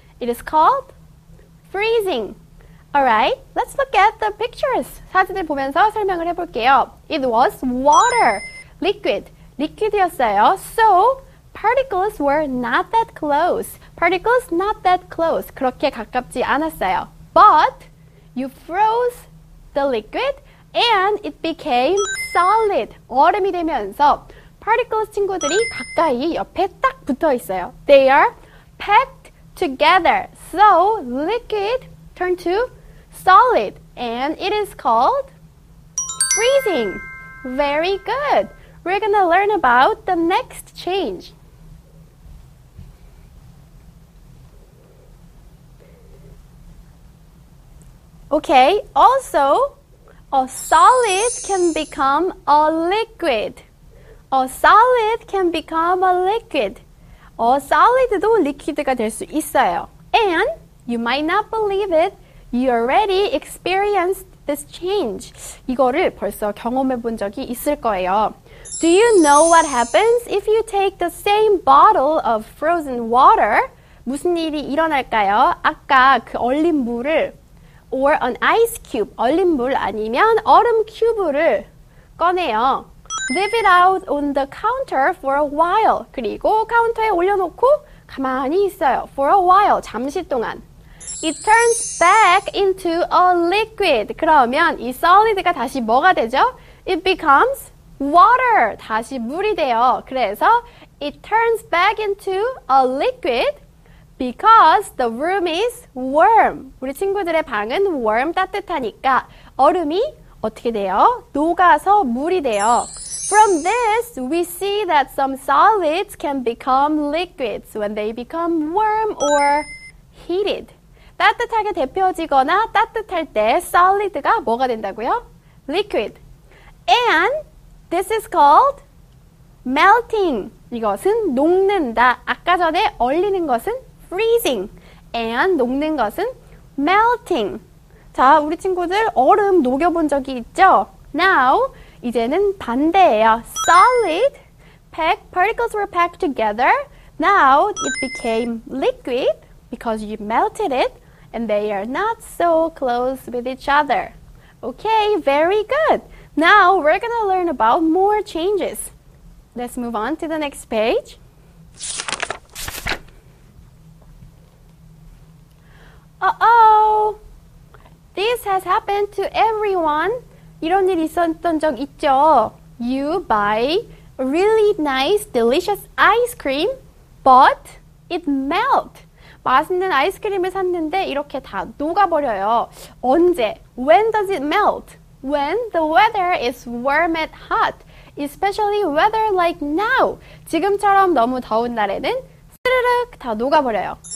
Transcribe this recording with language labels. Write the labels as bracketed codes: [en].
[en] It is called freezing. Alright, let's look at the pictures. [ko] 사진을 보면서 설명을 해볼게요. [en] It was water, liquid. Liquid이었어요. So, particles were not that close. Particles not that close. [ko] 그렇게 가깝지 않았어요. [en] But, you froze the liquid and it became solid. [ko] 얼음이 되면서 particles 친구들이 가까이 옆에 딱 붙어 있어요. [en] They are packed together. So, liquid turned to solid, and it is called Freezing. Very good. We're going to learn about the next change. Okay, also, a solid can become a liquid. A solid can become a liquid. A solid도 liquid가 [ko] 될 수 있어요. [en] And you might not believe it, you already experienced this change. [ko] 이거를 벌써 경험해 본 적이 있을 거예요. [en] Do you know what happens if you take the same bottle of frozen water? [ko] 무슨 일이 일어날까요? 아까 그 얼린 물을 [en] or an ice cube, [ko] 얼린 물 아니면 얼음 큐브를 꺼내요. [en] Leave it out on the counter for a while. [ko] 그리고 카운터에 올려놓고 가만히 있어요. [en] For a while, [ko] 잠시 동안. [en] It turns back into a liquid. [ko] 그러면 이 solid가 다시 뭐가 되죠? [en] It becomes water. [ko] 다시 물이 돼요. 그래서 [en] it turns back into a liquid. Because the room is warm. [ko] 우리 친구들의 방은 warm, 따뜻하니까 얼음이 어떻게 돼요? 녹아서 물이 돼요. [en] From this, we see that some solids can become liquids when they become warm or heated. [ko] 따뜻하게 데펴지거나 따뜻할 때 solid가 뭐가 된다고요? [en] Liquid. And this is called melting. [ko] 이것은 녹는다. 아까 전에 얼리는 것은 freezing and 녹는 것은 melting. 자, 우리 친구들 얼음 녹여 본 적이 있죠? [en] Now, [ko] 이제는 반대예요. [en] Solid packed particles were packed together. Now it became liquid because you melted it and they are not so close with each other. Okay, very good. Now we're going to learn about more changes. Let's move on to the next page. Uh-oh! This has happened to everyone. [ko] 이런 일 있었던 적 있죠? [en] You buy really nice, delicious ice cream, but it melts. [ko] 맛있는 아이스크림을 샀는데 이렇게 다 녹아버려요. 언제? [en] When does it melt? When the weather is warm and hot. Especially weather like now. [ko] 지금처럼 너무 더운 날에는 스르륵 다 녹아버려요.